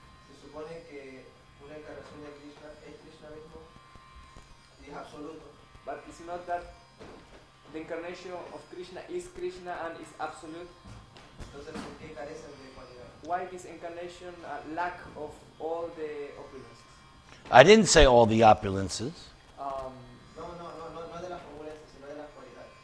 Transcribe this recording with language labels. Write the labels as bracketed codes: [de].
[es] se supone que una encarnación de Krishna es Krishna mismo y es absoluto. [en] But is it not that the incarnation of Krishna is Krishna and is absolute? [es] Entonces, ¿por qué carecen de cualidad? [en] Why this incarnation lack of all the opulences? I didn't say all the opulences. [es] No, de las opulences, sino de las cualidades.